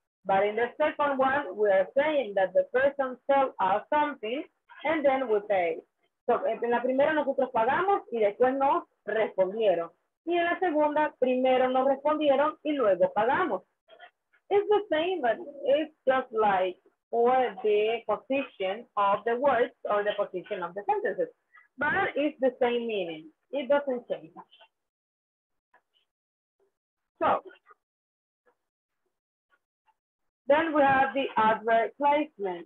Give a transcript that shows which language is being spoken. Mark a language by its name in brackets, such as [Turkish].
[English] But in the second one, we are saying that the person sell us something and then we pay. [Spanish] So, en la primera nosotros pagamos y después nos respondieron. Y en la segunda, primero nos respondieron y luego pagamos. [English] It's the same, but it's just like for the position of the words or the position of the sentences. But it's the same meaning. It doesn't change. So, then we have the adverb placement.